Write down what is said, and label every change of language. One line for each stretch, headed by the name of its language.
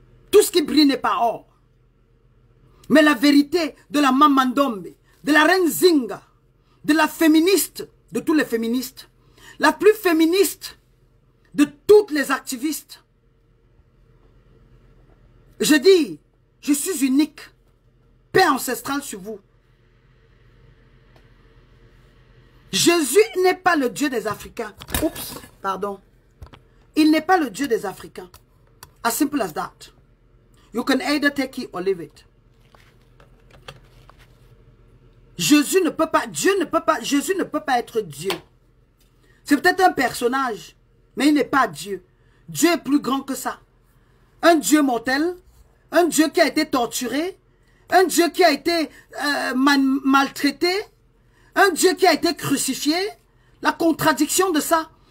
French: Tout ce qui brille n'est pas or. Mais la vérité de la Mamandombe, de la reine Zinga, de la féministe, de tous les féministes, la plus féministe de toutes les activistes, je dis, je suis unique. Paix ancestrale sur vous. Jésus n'est pas le Dieu des Africains. Oups, pardon. Il n'est pas le Dieu des Africains.
English: As simple as that. You can either take it or leave it.
French: Jésus ne peut pas, Dieu ne peut pas, Jésus ne peut pas être Dieu. C'est peut-être un personnage, mais il n'est pas Dieu. Dieu est plus grand que ça. Un Dieu mortel, un Dieu qui a été torturé, un Dieu qui a été maltraité, un Dieu qui a été crucifié, la contradiction de ça.